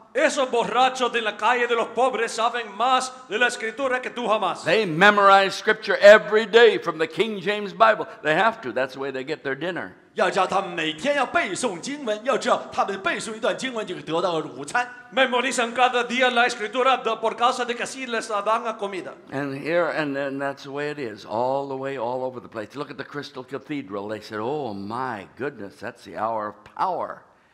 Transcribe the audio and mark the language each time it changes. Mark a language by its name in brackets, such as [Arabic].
[Spanish] Esos borrachos de la calle de los pobres saben más de la escritura que tú jamás. [English] They memorize scripture every day from the King James Bible. They have to. That's the way they get their dinner. [Chinese] 要叫他们每天要背诵经文，要知道他们背诵一段经文就得到午餐。 [Spanish] Memorizan cada día la escritura por causa de que así les dan comida. [English] And here and that's the way it is, all the way, all over the place. Look at the Crystal Cathedral. They said, "Oh my goodness, that's the hour of power."